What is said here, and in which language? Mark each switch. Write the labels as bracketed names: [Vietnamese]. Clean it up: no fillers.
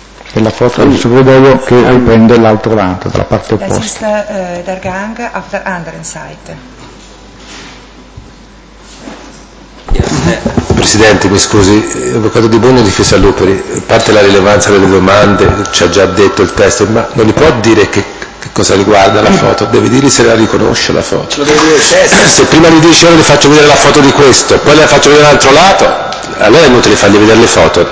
[Italian] È la foto del corridoio che riprende l'altro lato, dalla parte opposta. [German] Der Gang auf der anderen Seite. [Italian] Presidente, mi scusi, avvocato Di Bono, difesa Luperi, a parte la rilevanza delle domande, ci ha già detto il testo, ma non gli può dire che cosa riguarda la foto? Deve dire se la riconosce la foto. Ce lo deve dire il testo. Se prima gli dice, io le faccio vedere la foto di questo, poi le faccio vedere l'altro lato, allora è inutile fargli vedere le foto.